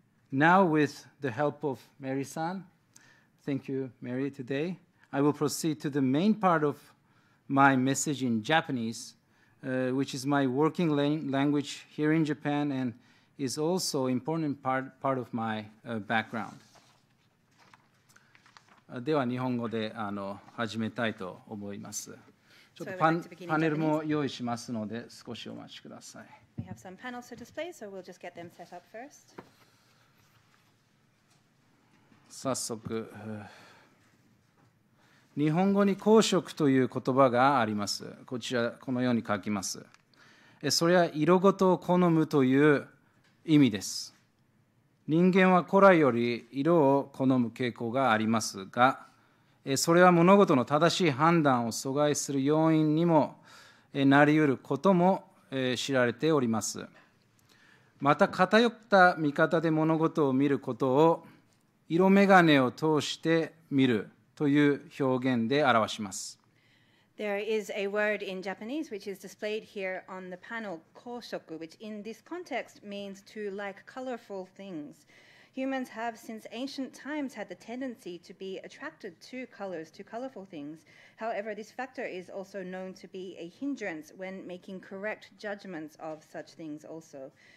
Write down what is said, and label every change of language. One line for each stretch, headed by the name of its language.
English: Now, with the help of Mary-san, thank you, Mary, today, I will proceed to the main part of my message in Japanese, which is my working language here in Japan and is also an important part of my background.
Japanese: では日本語で始めたいと思います。ちょっとパネルも用意しますので少しお待ちください。
English: We have some panels to display, so we'll just get them set up first.
Japanese: 早速、日本語に公職という言葉があります。こちらこのように書きます。それは色ごとを好むという意味です。人間は古来より色を好む傾向がありますが、それは物事の正しい判断を阻害する要因にもなり得ることも知られております。また偏った見方で物事を見ることを色眼鏡を通して見るという表現で表します。
English: There is a word in Japanese which is displayed here on the panel, 光色, which in this context means to like colorful things. Humans have since ancient times had the tendency to be attracted to colors, to colorful things. However, this factor is also known to be a hindrance when making correct judgments of such things also.